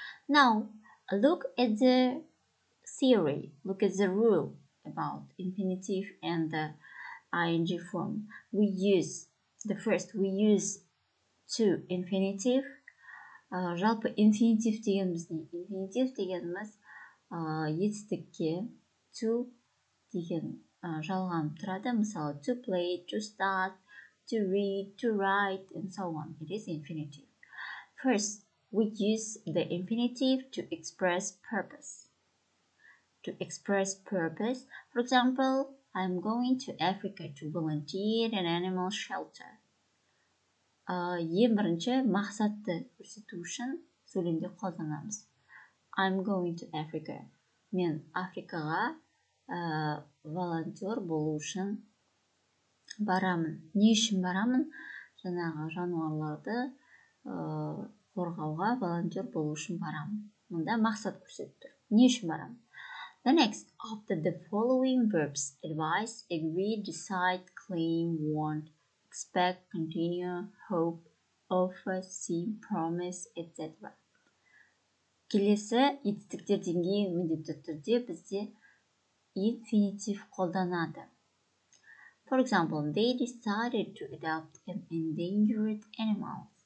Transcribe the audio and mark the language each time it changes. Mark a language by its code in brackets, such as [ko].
[en] Now, look at the theory, look at the rule about infinitive and the ing form. We use, the first, we use two infinitive. [kk] Жалпы, infinitive дегеніміз не? Infinitive дегеніміз етістікке, to деген жалған тұрады. Мысалы, [en] to play, to start, to read, to write, and so on. It is infinitive. First, we use the infinitive to express purpose. To express purpose. For example, I'm going to Africa to volunteer an animal shelter. [kk] Ең бірінші мақсатты көрсету үшін сөйлемде қолданамыз. [en] I'm going to Africa. [kk] Мен Африкаға волонтер болу үшін барамын. Не үшін барамын? Жаңағы жануарларды қорғауға волонтер болу үшін барамын. Мұнда мақсат көрсетті. Не үшін барамын? [en] The next, after the following verbs, advise, agree, decide, claim, want, expect, continue, hope, offer, seem, promise, etc. [kk] Келесі етістіктерден кейін міндетті түрде бізде infinitive қолданады. [en] For example, they decided to adopt an endangered animal.